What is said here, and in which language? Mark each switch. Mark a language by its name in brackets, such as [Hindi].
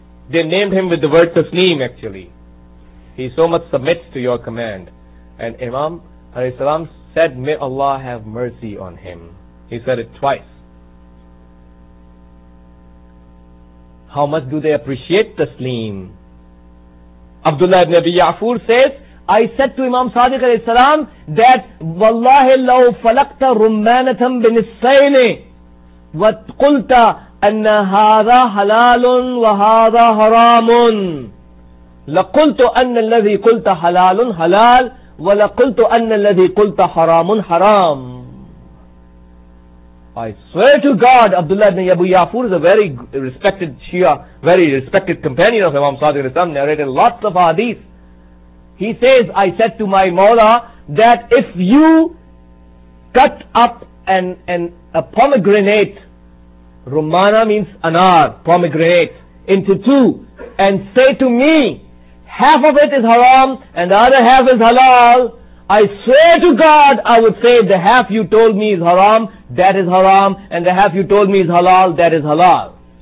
[English] They named him with the word taslim actually. He so much submits to your command. And Imam alayhi salam said, may Allah have mercy on him. He said it twice. How much do they appreciate taslim? Abdullah ibn Abi Ya'fur says, I said to Imam Sadiq alayhi salam that [Arabic] وَاللَّهِ لَوْ فَلَقْتَ رُمَّانَةً بِنِسَّيْنِ وَقُلْتَ أَنَّ هَذَا حَلَالٌ وَهَذَا حَرَامٌ لَقُلْتُ أَنَّ الَّذِي قُلْتَ حَلَالٌ حَلَالٌ وَلَقُلْتُ أَنَّ الَّذِي قُلْتَ حَرَامٌ حَرَامٌ. [English] I swear to God, Abdullah ibn Abu Ya'fur is a very respected Shia, very respected companion of Imam Sadiq al-Islam, narrated lots of hadith. He says, I said to my Mawla that if you cut up a pomegranate, Rumana means anar, pomegranate, into two, and say to me, half of it is haram and the other half is halal, I swear to God, I would say the half you told me is haram, that is haram, and the half you told me is halal, that is halal.